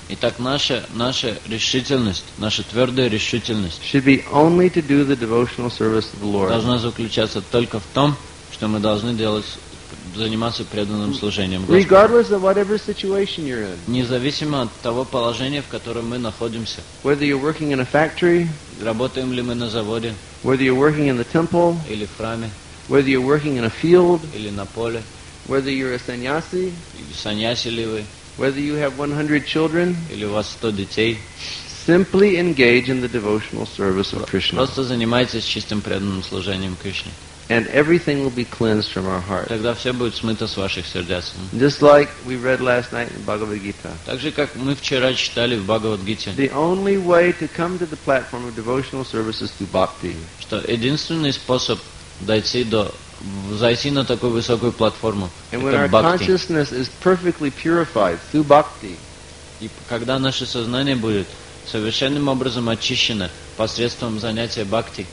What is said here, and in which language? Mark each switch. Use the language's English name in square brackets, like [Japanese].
[Russian] Итак, наша решительность, наша твердая решительность. [English] Should be only to do the devotional service of the Lord. [Russian] Должна заключаться только в том, что мы должны делать, заниматься преданным служением Господу. [English] Regardless of whatever situation you're in. [Russian] Независимо от того положения, в котором мы находимся. [English] Whether you're working in a factory. [Russian] Работаем ли мы на заводе. [English] Whether you're working in the temple. [Russian] Или в храме. [English] Whether you're working in a field. [Russian] Или на поле. [English] Whether you're a sannyasi, [Russian] саньяси ли вы, [English] Whether you have 100 children, [Russian] или у вас 100 детей, [English] simply engage in the devotional service of Krishna. [Russian] Просто занимайтесь чистым преданным служением Кришне. [English] And everything will be cleansed from our hearts. [Russian] Тогда все будет смыто с ваших сердец. [English] Just like we read last night in Bhagavad Gita. [Russian] Так же, как мы вчера читали в Бхагавад Гите. [English] The only way to come to the platform of devotional service is through bhakti. [Russian] Что единственный способ дойти до зайти на такую высокую платформу. [English] And when our consciousness is perfectly purified through bhakti. [Russian] И когда наше сознание будет совершенным образом очищено посредством занятия бхакти,